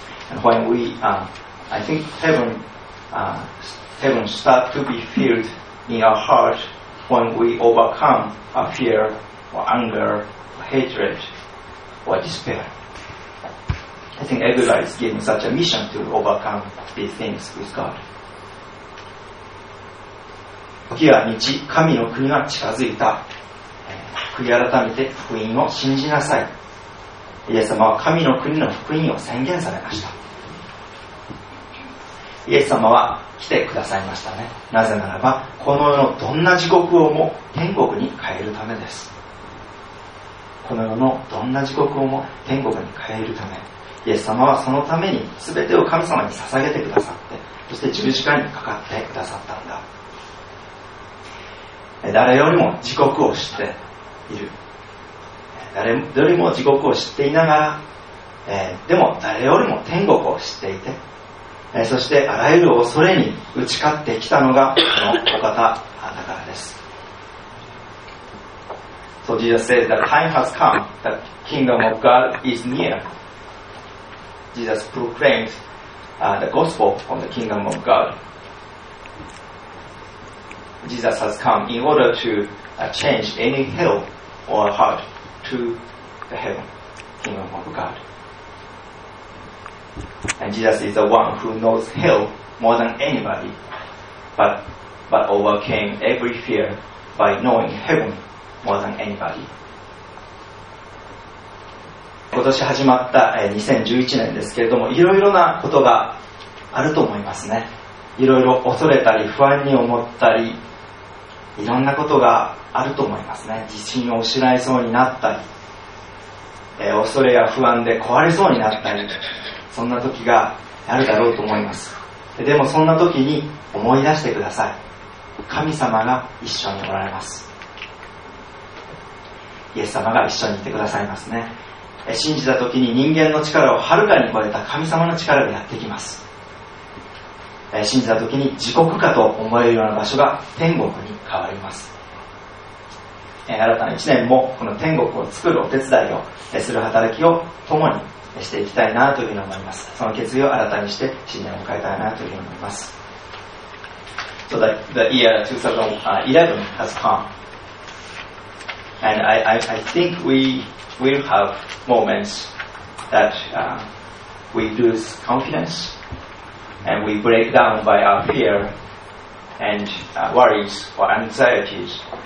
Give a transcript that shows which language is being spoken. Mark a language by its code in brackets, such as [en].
[en] And when we, I think heaven start to be filled in our heart when we overcome our fear or anger or hatred or despair. I think everybody is given such a mission to overcome these things with God. [ja] 時は道、神の国が近づいた。悔い改めて福音を信じなさい。イエス様は神の国の福音を宣言されました。イエス様は来てくださいましたね。なぜならば、この世のどんな地獄をも天国に変えるためです。この世のどんな地獄をも天国に変えるため。イエス様はそのために全てを神様に捧げてくださって、そして十字架にかかってくださったんだ。誰よりも地獄を知っている、誰よりも地獄を知っていながら、でも誰よりも天国を知っていて、そしてあらゆる恐れに打ち勝ってきたのがこのお方だからです。 [en] So Jesus says that time has come, the kingdom of God is near. Jesus proclaimed the gospel of the kingdom of GodJesus has come in order to change any hell or heart to the heaven, kingdom of God. And Jesus is the one who knows hell more than anybody, but overcame every fear by knowing heaven more than anybody. [ja] 今年始まった2011年ですけれども、いろいろなことがあると思いますね。いろいろ恐れたり不安に思ったり、いろんなことがあると思いますね。自信を失いそうになったり、恐れや不安で壊れそうになったり、そんな時があるだろうと思います。でもそんな時に思い出してください。神様が一緒におられます。イエス様が一緒にいてくださいますね。信じた時に人間の力をはるかに超えた神様の力がやってきます。信じた時に地獄かと思えるような場所が天国に変わります。新たな1年もこの天国を作るお手伝いをする働きを共にしていきたいなというふうに思います。その決意を新たにして新年を迎えたいなというふうに思います。 [en] So the year 2011 has come, and I think we will have moments that we lose confidenceAnd we break down by our fear and worries or anxieties.